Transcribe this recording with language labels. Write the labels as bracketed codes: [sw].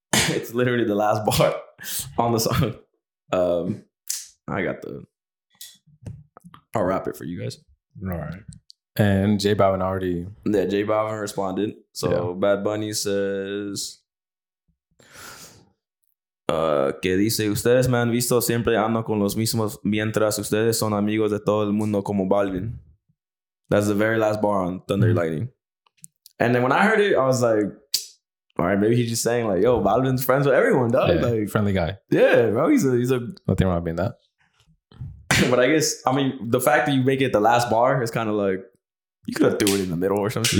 [en] It's literally the last bar on the song. I got the. I'll wrap it for you guys. All right. And J Balvin already. Yeah, J Balvin responded. So yeah. Bad Bunny says. [es] Que dice, ustedes me han visto siempre ando con los mismos mientras ustedes son amigos de todo el mundo como Balvin. [en] That's the very last bar on Thunder Lightning. And then when I heard it, I was like, all right, maybe he's just saying like, yo, Balvin's friends with everyone, dog. Yeah, like, friendly guy. Yeah, bro, he's a... Nothing wrong with being that. But I guess, I mean, the fact that you make it the last bar is kind of like, you could have threw it in the middle or something.